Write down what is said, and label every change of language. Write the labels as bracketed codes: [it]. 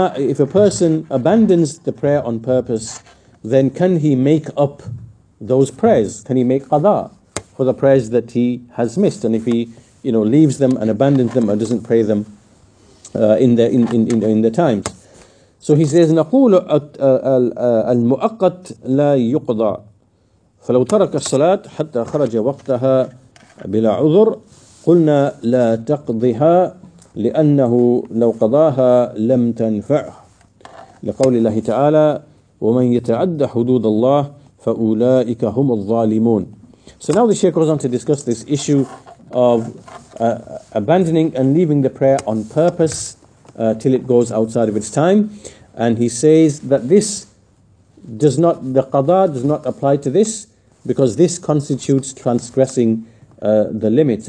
[en] If a person abandons the prayer on purpose, then can he make up those prayers? Can he make qada for the prayers that he has missed? And if he, you know, leaves them and abandons them and doesn't pray them in the times. So he says, [ar] نقول المؤقت لا يقضى فلو ترك الصلاة حتى خرج وقتها بلا عذر قلنا لا تقضها لأنه لو قضاها لم تنفعه لقول الله تعالى ومن يتعد حدود الله فأولئك هم الظالمون. [en] So now the Shaykh goes on to discuss this issue of abandoning and leaving the prayer on purpose till it goes outside of its time. And he says that this does not, the qada does not apply to this, because this constitutes transgressing the limits.